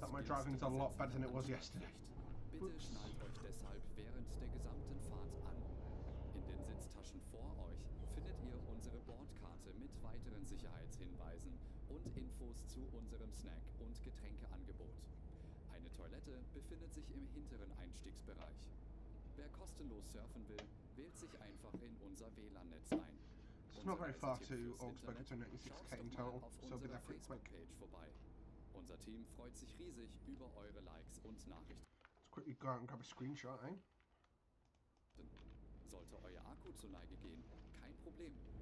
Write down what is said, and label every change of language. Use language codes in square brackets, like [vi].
[en] that my driving is a lot better than it was yesterday. [de] Bitte schnallt euch deshalb während der gesamten Fahrt an. In den Sitztaschen vor euch findet ihr unsere Bordkarte mit weiteren Sicherheitshinweisen und Infos zu unserem Snack- und Getränkeangebot. Eine Toilette befindet sich im hinteren Einstiegsbereich. Wer kostenlos surfen will, wählt sich einfach in unser WLAN-Netz ein. [en] It's not very far to Augsburg, it's 96k in total, so I'll be there pretty quick. [de] Vorbei. Unser Team freut sich riesig über eure Likes und Nachrichten. [en] Let's quickly go out and grab a screenshot, eh? [de] Sollte euer Akku zur Neige gehen, kein Problem.